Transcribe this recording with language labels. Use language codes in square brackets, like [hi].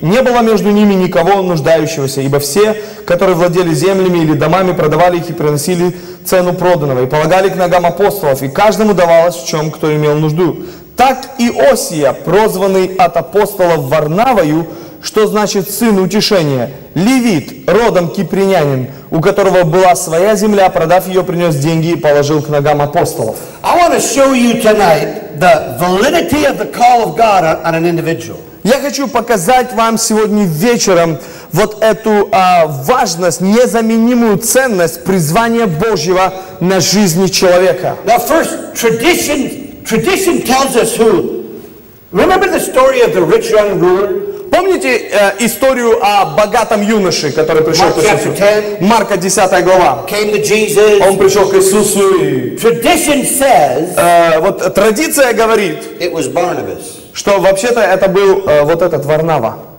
[ru] Не было между ними никого нуждающегося, ибо все, которые владели землями или домами, продавали их и приносили цену проданного, и полагали к ногам апостолов, и каждому давалось в чем, кто имел нужду. Так Иосия, прозванный от апостолов Варнавою, что значит «сын утешения», левит, родом кипрянин, у которого была своя земля, продав ее, принес деньги и положил к ногам апостолов. [en] I want to show you tonight the validity of the call of God on an individual. [ru] Я хочу показать вам сегодня вечером вот эту важность, незаменимую ценность призвания Божьего на жизни человека. [en] Now first, tradition tells us who. Remember the story of the rich young ruler? [ru] Помните историю о богатом юноше, который пришел [en] Mark [ru] к Иисусу? Марка 10 глава. [en] Came to Jesus. [ru] Он пришел к Иисусу и... [en] Tradition says, [ru] вот традиция говорит, [en] it was Barnabas. [ru] Что вообще-то это был вот этот Варнава.